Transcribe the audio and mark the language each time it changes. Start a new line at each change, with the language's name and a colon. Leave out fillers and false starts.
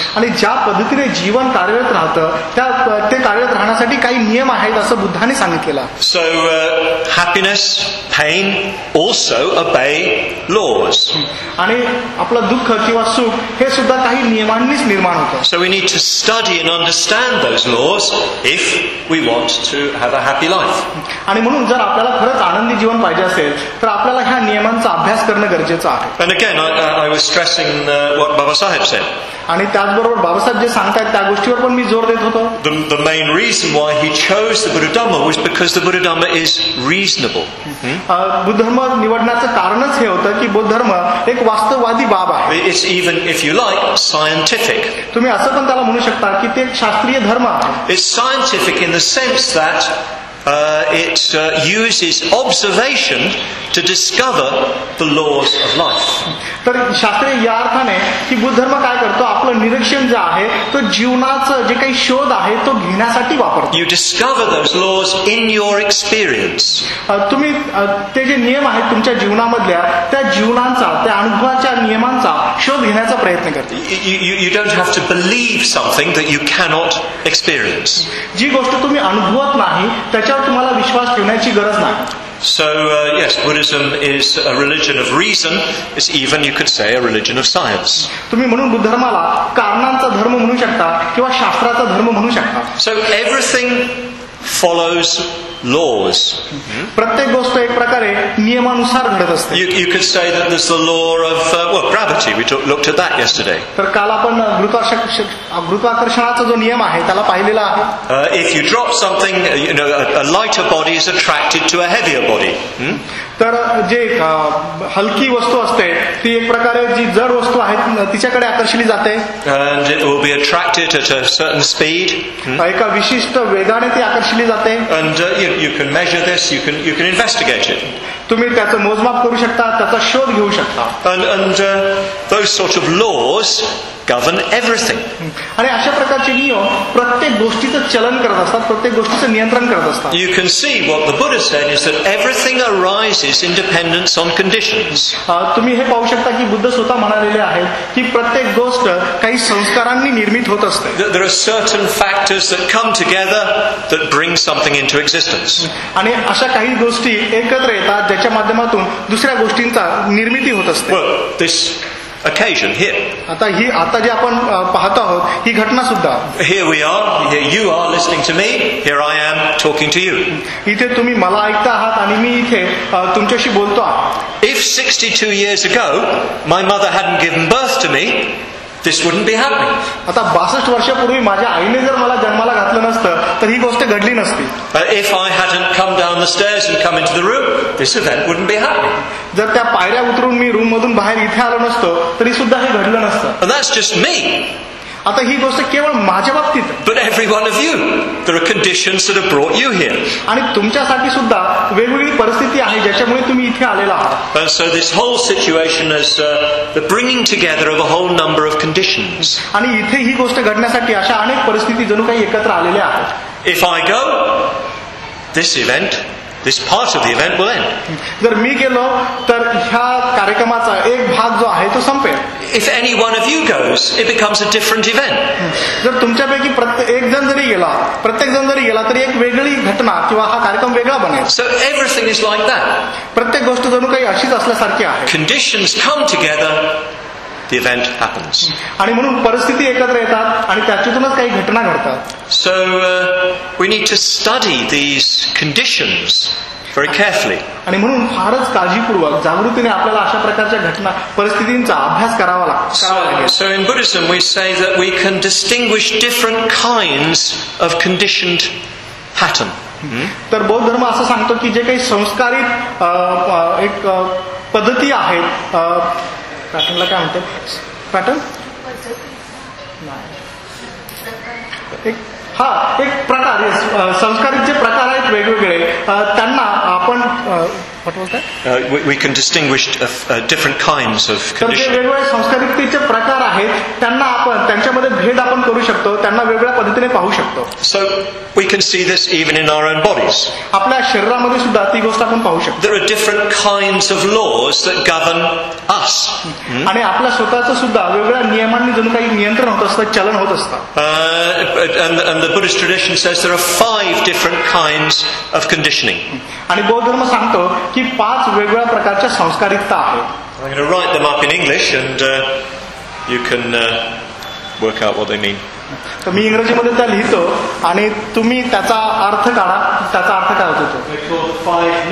Marathi: आणि ज्या पद्धतीने जीवन कार्यरत राहतं त्या ते कार्यरत राहण्यासाठी काही नियम आहेत असं बुद्धाने सांगितलं.
English: So happiness, pain also obey laws.
Marathi: आणि आपलं दुःख किंवा सुख हे सुद्धा काही नियमांनीच निर्माण होतं.
English: So we need to study and understand those laws if we want to have a happy life.
Marathi: आणि म्हणून जर आपल्याला खरंच आनंदी जीवन पाहिजे असेल तर आपल्याला ह्या नियमांचा अभ्यास करणं गरजेचं आहे.
English: And again, I was stressing what Babasaheb said.
Marathi: आणि त्याचबरोबर बाबासाहेब जे सांगतायत त्या गोष्टीवर पण मी जोर देत होतो.
English: The main reason why he chose the Buddha Dhamma was because the Buddha Dhamma is reasonable.
Marathi: Buddha धर्म निवडण्याचं कारणच हे होतं की बुद्ध धर्म एक वास्तववादी बाब आहे.
English: It's even if you like scientific.
Marathi: तुम्ही असं पण त्याला म्हणू शकता की ते शास्त्रीय धर्म आहे.
English: It's scientific in the sense that uses observation to discover the laws of life.
Marathi: तर शास्त्रीय या अर्थाने की बुद्ध धर्म काय करतो आपलं निरीक्षण जे आहे तो जीवनाचं जे काही शोध आहे तो घेण्यासाठी वापरतो.
English: You discover those laws in your experience.
Marathi: तुम्ही ते जे नियम आहेत तुमच्या जीवनामधल्या त्या जीवनांचा त्या अनुभवाच्या नियमांचा शोध घेण्याचा प्रयत्न करते.
English: You don't have to believe something that you cannot experience.
Marathi: जी गोष्ट तुम्ही अनुभवत नाही त्याच्यावर तुम्हाला विश्वास ठेवण्याची गरज नाही.
English: So yes, Buddhism is a religion of reason. It's even, you could say, a religion of science.
Marathi: तुम्ही म्हणून बुद्ध धर्माला कारणांचा धर्म म्हणू शकता किंवा शास्त्राचा धर्म म्हणू शकता.
English: So everything follows laws.
Marathi: प्रत्येक गोष्ट एक प्रकारे नियमानुसार घडत असते.
English: You could say that there's the law of gravity. We looked at that yesterday.
Marathi: तर काल आपण गुरुत्वाकर्षणाचा जो नियम आहे त्याला पाहिलेला आहे.
English: If you drop something, you know, a lighter body is attracted to a heavier body.
Marathi: तर जे हलकी वस्तू असते ती एक प्रकारे जी जड वस्तू आहे तिच्याकडे आकर्षली जाते.
English: And it will be attracted at a certain speed.
Marathi: एका विशिष्ट वेगाने ती आकर्षली जाते.
English: And you can measure this, you can investigate it.
Marathi: तुम्ही त्याचं मोजमाप करू शकता त्याचा शोध घेऊ शकता.
English: And those sort of laws govern everything.
Marathi: आणि अशा प्रकारचे नियम प्रत्येक गोष्टीचं चलन करत असतात प्रत्येक गोष्टीचं नियंत्रण करत असतात.
English: You can see what the Buddha said is that everything arises in dependence on conditions.
Marathi: तुम्ही हे पाहू शकता की बुद्ध स्वतः म्हणालेले आहेत की प्रत्येक गोष्ट काही संस्कारांनी निर्मित होत असते.
English: There are certain factors that come together that bring something into existence.
Marathi: आणि अशा काही गोष्टी एकत्र येतात ज्याच्या माध्यमातून दुसऱ्या गोष्टींचा निर्मिती होत असते.
English: This occasion here.
Marathi: आता ही आता जे आपण पाहत आहोत ही घटना सुद्धा.
English: Here we are. Here you are listening to me. Here I am talking to you.
Marathi: इथे तुम्ही मला ऐकता आहात आणि मी इथे तुमच्याशी बोलतो आहे.
English: If 62 years ago my mother hadn't given birth to me, This wouldn't be happening.
Marathi: आता 62 वर्षांपूर्वी माझ्या आईने जर मला जन्माला घातलं नसतं तर ही गोष्ट घडली नसती.
English: But if I hadn't come down the stairs and come into the room, this event wouldn't be happening.
Marathi: जर त्या पायऱ्या उतरून मी रूम मधून बाहेर इथे आलो नसतो तरी सुद्धा हे घडलं नसतं.
English: And that's just me.
Marathi: आता ही गोष्ट केवळ माझ्या बाबतीत.
English: But every one of you, there are conditions that have brought you here.
Marathi: आणि तुमच्यासाठी सुद्धा वेगवेगळी परिस्थिती आहे ज्याच्यामुळे तुम्ही इथे आलेला आहात.
English: So this whole situation is the bringing together of a whole number of conditions.
Marathi: आणि इथे ही गोष्ट घडण्यासाठी अशा अनेक परिस्थिती जणू काही एकत्र आलेल्या आहेत.
English: If I go, this event, this part of the event will end.
Marathi: जर मी गेलो तर ह्या कार्यक्रमाचा एक भाग जो आहे तो संपेल.
English: If any one of you goes, it becomes a different event.
Marathi: जर तुमच्यापैकी प्रत्येक जण जरी गेला तरी एक वेगळी घटना किंवा हा कार्यक्रम वेगळा बनेल.
English: So everything is like that.
Marathi: प्रत्येक गोष्ट जणू काही अशीच असल्यासारखी आहे.
English: Conditions come together, the event happens.
Marathi: आणि म्हणून परिस्थिती एकत्र येतात आणि त्याच्यातूनच काही घटना घडतात.
English: So we need to study these conditions very carefully.
Marathi: आणि म्हणून फारच काळजीपूर्वक जागृतीने आपल्याला अशा प्रकारच्या घटना परिस्थितींचा अभ्यास करावा लागतो.
English: So in Buddhism we say that we can distinguish different kinds of conditioned pattern.
Marathi: तर बौद्ध धर्म असं सांगतो की जे काही संस्कारित एक पद्धती आहेत पॅटर्नला काय म्हणतात पॅटर्न हा एक प्रकार संस्कारित जे प्रकार आहेत वेगवेगळे त्यांना आपण
English: we can distinguish different kinds of conditions.
Marathi: वेगवेगळ्या संस्कारितीचे प्रकार आहेत त्यांना आपण त्यांच्यामध्ये भेद आपण करू शकतो त्यांना वेगळ्या पद्धतीने पाहू शकतो.
English: So we can see this even in our own bodies.
Marathi: आपल्या शरीरामध्ये सुद्धा ती गोष्ट आपण पाहू शकतो.
English: There are different kinds of laws that govern us.
Marathi: आणि आपल्या स्वतःचं सुद्धा वेगवेगळ्या नियमांनी जणू काही नियंत्रण होत असतं चलन होत असतं.
English: And the Buddhist tradition says there are 5 different kinds of conditioning.
Marathi: आणि बौद्ध धर्म सांगतो की 5 वेगवेगळ्या प्रकारच्या संस्कारिकता आहेत.
English: I'm going to write them up in English and you can work out what they mean.
Marathi: तर मी इंग्रजीमध्ये त्या लिहितो आणि तुम्ही त्याचा अर्थ काढा त्याचा अर्थ काय होतो.